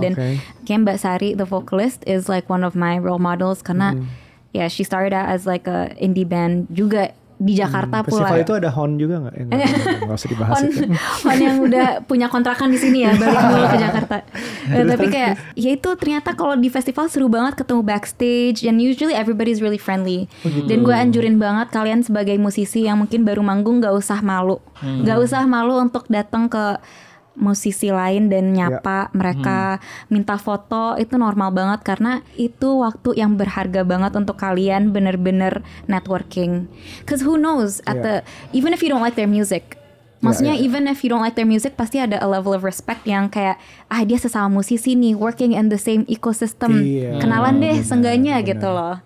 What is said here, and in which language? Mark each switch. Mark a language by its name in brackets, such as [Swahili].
[Indonesian] Dan kayak [English] Mbak Sari, the vocalist, is like one of my role models. Karena yeah, she started out as like a indie band [Indonesian] juga di Jakarta pula. Festival itu ada Hon juga gak? Gak usah dibahas. Hon yang udah punya kontrakan di sini ya, balik dulu ke Jakarta. Tapi kayak ya itu ternyata kalau di festival seru banget ketemu backstage [English] and usually everybody's really friendly. [Indonesian] Dan gue anjurin banget kalian sebagai musisi yang mungkin baru manggung gak usah malu. Gak usah malu untuk datang ke musisi lain dan nyapa mereka, minta foto, itu normal banget karena itu waktu yang berharga banget untuk kalian bener-bener networking. [English] Cause who knows at the even if you don't like their music, maksudnya even if you don't like their music [Indonesian] pasti ada [English] a level of respect [Indonesian] yang kayak ah dia sesama musisi nih [English] working in the same ecosystem, [Indonesian] kenalan deh seenggaknya gitu loh.